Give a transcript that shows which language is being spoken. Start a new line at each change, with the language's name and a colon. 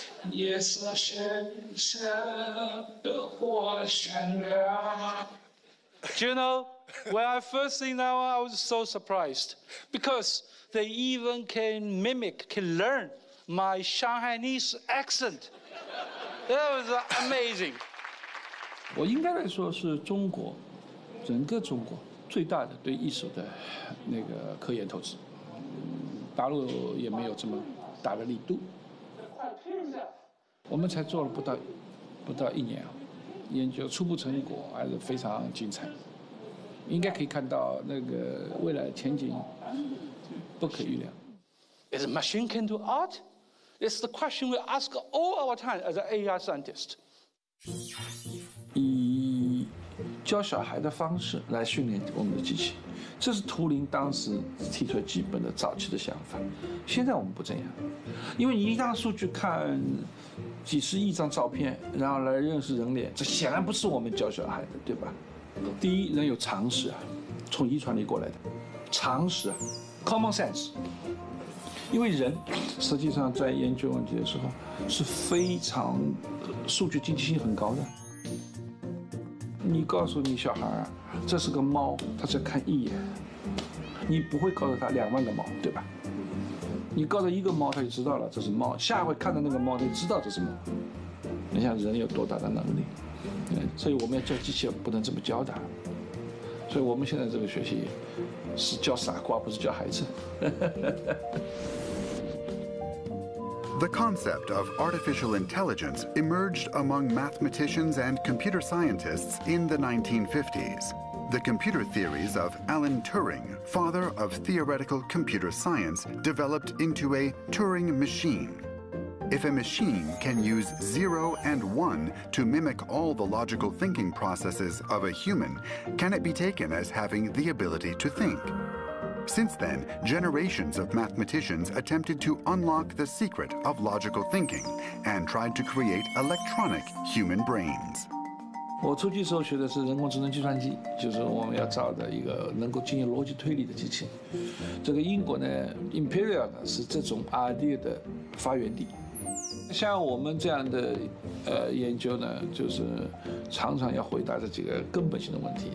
English: Yes, I shall the Do you know, when I first seen that one, I was so surprised because. They even can mimic, can learn my Shanghainese accent. That was amazing.
Chinese: 我应该来说是中国，整个中国最大的对艺术的那个科研投资。大陆也没有这么大的力度。我们才做了不到一年啊，研究初步成果还是非常精彩，应该可以看到那个未来前景不可预料。
English: Is a machine can do art? It's the question we ask all our time as an AI scientist.
Chinese: 以教小孩的方式来训练我们的机器，这是图灵当时提出基本的早期的想法。现在我们不这样，因为你一张数据看几十亿张照片，然后来认识人脸，这显然不是我们教小孩的，对吧？第一，人有常识啊，从遗传里过来的常识 ，common sense。因为人实际上在研究问题的时候是非常数据经济性很高的。你告诉你小孩这是个猫，他只看一眼，你不会告诉他两万个猫，对吧？你告诉一个猫他就知道了这是猫，下回看到那个猫他就知道这是猫。你想人有多大的能力，所以我们要教机器不能这么教的。所以我们现在这个学习是教傻瓜，不是教孩子。
English: The concept of artificial intelligence emerged among mathematicians and computer scientists in the 1950s. The computer theories of Alan Turing, father of theoretical computer science, developed into a Turing machine. If a machine can use zero and one to mimic all the logical thinking processes of a human, can it be taken as having the ability to think? Since then, generations of mathematicians attempted to unlock the secret of logical thinking and tried to create electronic human brains.
Chinese: 我初期时候学的是人工智能计算机，就是我们要造的一个能够进行逻辑推理的机器。这个英国呢 ，Imperial 呢是这种 idea 的发源地。像我们这样的研究呢，就是常常要回答这几个根本性的问题。